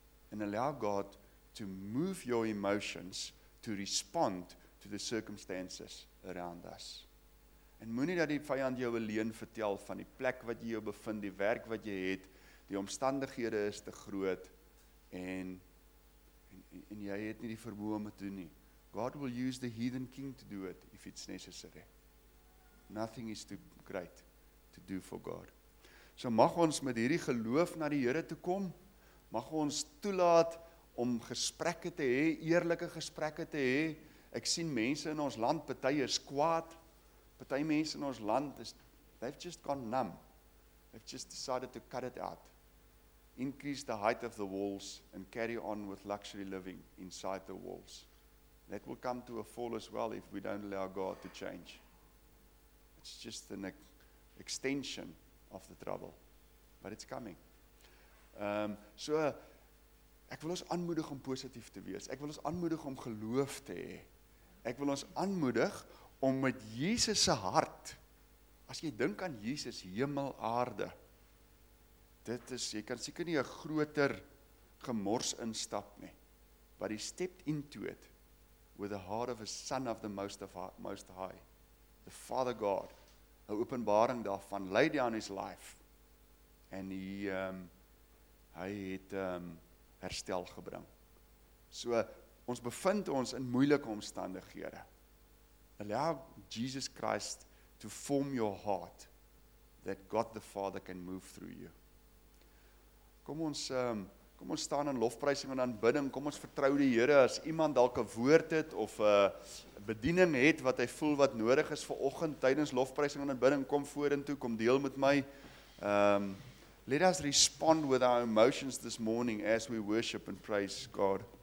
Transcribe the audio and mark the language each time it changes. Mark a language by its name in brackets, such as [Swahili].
[English] And allow God to move your emotions to respond to the circumstances around us. [Afrikaans] En moenie dat die vyand jou alleen vertel van die plek wat jy jou bevind, die werk wat jy het, die omstandighede is te groot, en jy het nie die vermoë om te doen nie. [English] God will use the heathen king to do it if it's necessary. Nothing is too great to to do for God. [Afrikaans] So mag ons met hierdie geloof na die Here toe kom, mag ons toelaat om gesprekke te hê, eerlike gesprekke te hê. Ek sien mense in ons land, party is kwaad, party mense in ons land is, [English] they've just gone numb. They've just decided to cut it out. Increase the height of the walls and carry on with luxury living inside the walls. That will come to a fall as well if we don't allow God to change. It's just an extension of the trouble. But it's coming. [Afrikaans] So, ek wil ons aanmoedig om positief te wees. Ek wil ons aanmoedig om geloof te hê. Ek wil ons aanmoedig om met Jesus se hart, as jy dink aan Jesus, hemel, aarde, dit is, jy kan seker nie 'n groter gemors instap nie. [English] But he stepped into it with the heart of a son of the most high, the Father God, [Afrikaans] 'n openbaring daarvan, [English] laid down his life, and [Afrikaans] hy het herstel gebring. So, ons bevind ons in moeilike omstandighede. [English] Allow Jesus Christ to form your heart, that God the Father can move through you. [Afrikaans] Kom ons staan in lofprysing en aanbidding, kom ons vertrou die Here, as iemand dalk 'n woord het, of 'n bediening het, wat hy voel wat nodig is vir oggend, tydens lofprysing en aanbidding, kom vorentoe, kom deel met my. [English] Let us respond with our emotions this morning, as we worship and praise God.